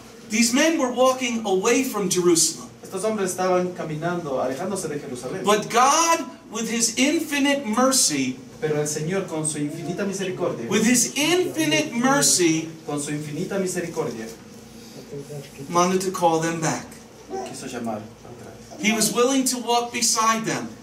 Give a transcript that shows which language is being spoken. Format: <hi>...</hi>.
<en>These men were walking away from Jerusalem.</en> <es>Estos hombres estaban caminando, alejándose de Jerusalén.</es> <en>But God, with His infinite mercy,</en> <es>pero el Señor con su infinita misericordia,</es> <en>with His infinite mercy,</en> <es>con su infinita misericordia,</es> <en>wanted to call them back.</en> <es>Quiso llamar atrás.</es> <en>He was willing to walk beside them.</en>